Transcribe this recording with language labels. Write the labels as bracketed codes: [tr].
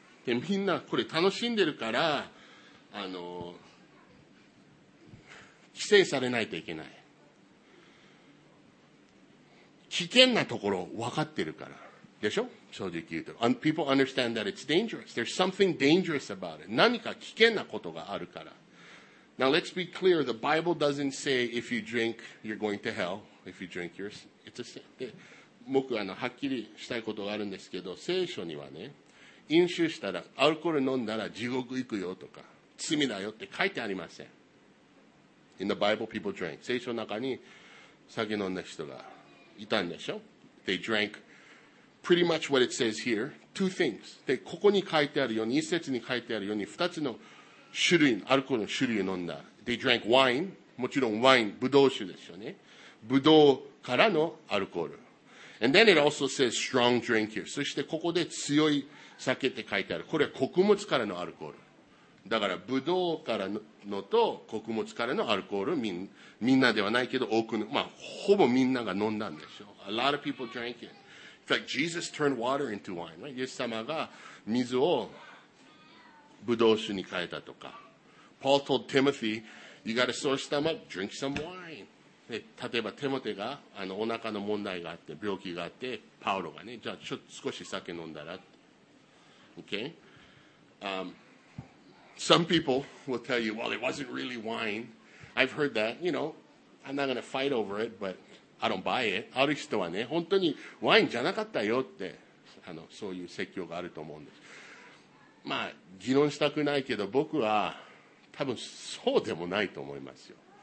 [ja] で、みんなこれ楽しんでるから、規制されないといけない。危険なところ分かってるから。でしょ？正直言うと。 [en] People understand that it's dangerous. There's something dangerous about it. [ja] 何か危険なことがあるから。 [en] Now let's be clear. The Bible doesn't say if you drink, you're going to hell. If you drink, it's a sin. [ja] で、僕は、はっきりしたいことがあるんですけど、聖書にはね、飲酒したら、アルコール飲んだら地獄行くよとか、罪だよって書いてありません。 [en] In the Bible, people drank. [ja] 聖書の中に酒飲んだ人がいたんでしょ？ [en] They drank. Pretty much what it says here, two things. [ja] で、ここに書いてあるように、一節に書いてあるように、二つの種類、アルコールの種類を飲んだ。 [en] They drank wine. [ja] もちろんワイン、ブドウ酒ですよね。ブドウからのアルコール。 [en] And then it also says strong drink here. [ja] そしてここで強い酒って書いてある。これは穀物からのアルコール。だから、ブドウからのと穀物からのアルコール、みんなではないけど、多くの、まあ、ほぼみんなが飲んだんでしょう。 [en] A lot of people drank it. In fact, Jesus turned water into wine, right? [ja] イエス様が水をブドウ酒に変えたとか。 [en] Paul told Timothy, you got a sore stomach, drink some wine. [ja] で、例えばテモテがお腹の問題があって、病気があって、パウロがね、じゃあちょっと少し酒飲んだら。 [en] Okay? Some people will tell you, well, it wasn't really wine. I've heard that, you know, I'm not going to fight over it, but... I don't buy it. [ja] ある人はね、本当にワインじゃなかったよって、そういう説教があると思うんです。まあ、議論したくないけど、僕は多分そうでもないと思いますよ。